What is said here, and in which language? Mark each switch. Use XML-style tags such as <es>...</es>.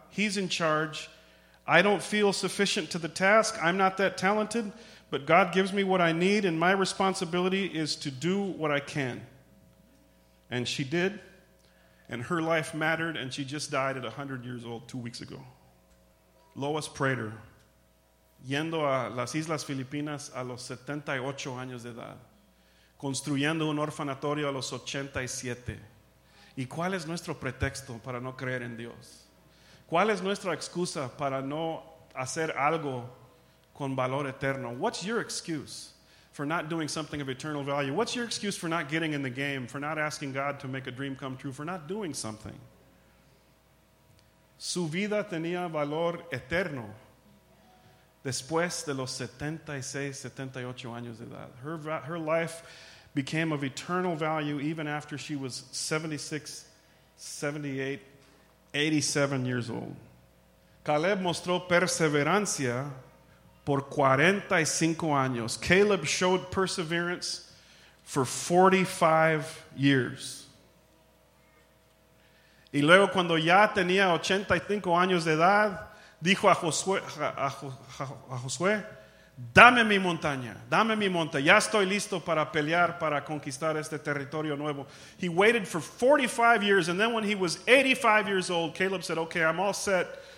<en>He's in charge. I don't feel sufficient to the task. I'm not that talented. But God gives me what I need, and my responsibility is to do what I can. And she did. And her life mattered, and she just died at 100 years old 2 weeks ago. Lois Prater.</en> <es>Yendo a las Islas Filipinas a los 78 años de edad, construyendo un orfanatorio a los 87. ¿Y cuál es nuestro pretexto para no creer en Dios? ¿Cuál es nuestra excusa para no hacer algo con valor eterno?</es> <en>What's your excuse for not doing something of eternal value? What's your excuse for not getting in the game, for not asking God to make a dream come true, for not doing something?</en> <es>Su vida tenía valor eterno. Después de los 76, 78 años de edad.</es> <en>Her life became of eternal value even after she was 76, 78, 87 years old.</en> <es>Caleb mostró perseverancia por 45 años.</es> <en>Caleb showed perseverance for 45 years.</en> <es>Y luego cuando ya tenía 85 años de edad, dijo a Josué, dame mi montaña, dame mi monte. Ya estoy listo para pelear, para conquistar este territorio nuevo.</es> <en>He waited for 45 years, and then when he was 85 years old, Caleb said, okay, I'm all set.</en>